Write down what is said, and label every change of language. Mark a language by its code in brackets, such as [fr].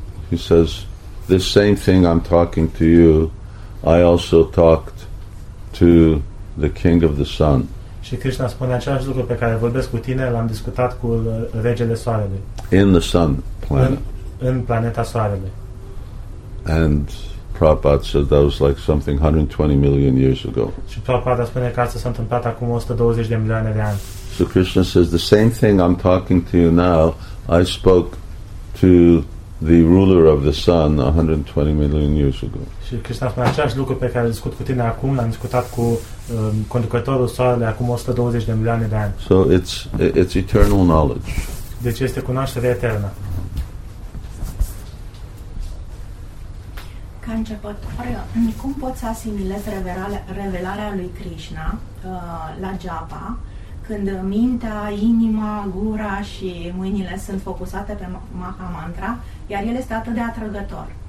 [en] He says the same thing I'm talking to you, I also talked to the king of the sun. [ro] Și Krishna spune același lucru pe care vorbesc cu tine, l-am discutat cu regele soarelui. [en] In the sun planet. [ro] În planeta soarelui. [en] And Prabhupada said that was like something 120 million years ago. [ro] Și Prabhupada spune că asta s-a întâmplat acum 120 de milioane de ani. [en] So Krishna says the same thing I'm talking to you now, I spoke to the ruler of the sun 120 million years ago. [ro] Și Krishna spune același lucru pe care discut cu tine acum, l-am discutat cu conducătorul soarelui acum 120 de milioane de ani. [en] So it's eternal knowledge. [ro] Deci este cunoaștere eternă. Ca începător, cum pot să asimilez revelarea lui Krishna la japa, când mintea, inima, gura și mâinile sunt focusate pe Maha Mantra, iar el este atât de atrăgător?